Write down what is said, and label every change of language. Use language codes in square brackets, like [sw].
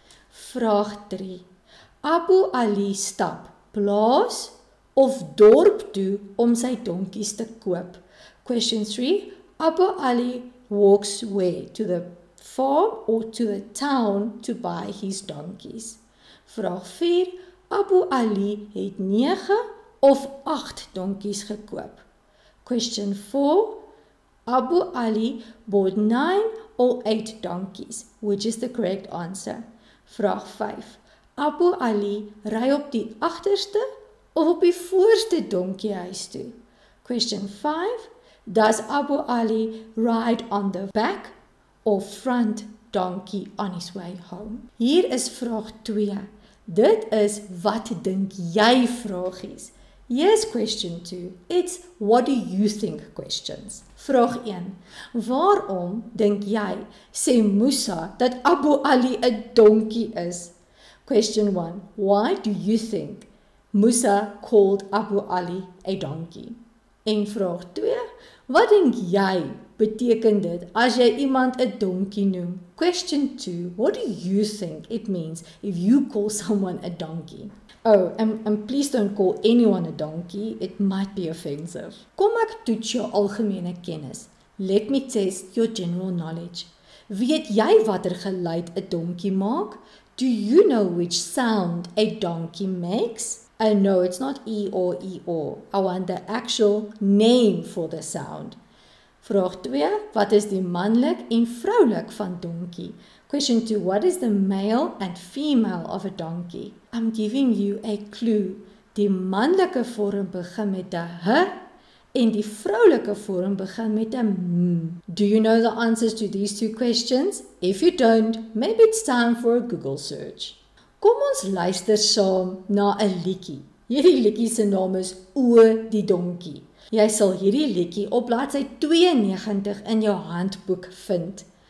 [af] Vraag 3. Abu Ali stap plaas of dorp toe om sy donkies te koop? [en] Question 3. Abu Ali walks where? To the farm or to the town to buy his donkeys? [af] Vraag 4. Abu Ali het 9 of 8 donkeys gekoop? [en] Question 4. Abu Ali bought 9 or 8 donkeys? Which is the correct answer? [af] Vraag 5. Abu Ali ry op die agterste of op die voorste donkiehuis toe? [en] Question 5. Does Abu Ali ride on the back or front donkey on his way home? [af] Hier is vraag 2. Dit is wat dink jy vragies. [en] Here's question 2. It's what do you think questions. [af] Vraag 1. Waarom dink jy, sê Musa, dat Abu Ali 'n donkey is? [en] Question 1. Why do you think Musa called Abu Ali a donkey? [af] En vraag 2. Wat dink jy beteken dit as jy iemand 'n donkie noem? [en] Question 2. What do you think it means if you call someone a donkey? Oh, and please don't call anyone a donkey. It might be offensive. [af] Kom ek toets jou algemene kennis. [en] Let me test your general knowledge. [af] Weet jy watter geluid 'n donkie maak? [en] Do you know which sound a donkey makes? No, it's not e or e or. I want the actual name for the sound. [af] Vraag 2, wat is die manlik en vroulik van donkie? [en] Question 2, what is the male and female of a donkey? I'm giving you a clue. [af] Die manlike vorm begin met 'n h en die vroulike vorm begin met 'n m. [en] Do you know the answers to these two questions? If you don't, maybe it's time for a Google search. [af] Kom ons luister saam na 'n liedjie. Hierdie liedjie se naam is O die donkie. Jy sal hierdie liedjie op bladsy 92 in jou handboek vind.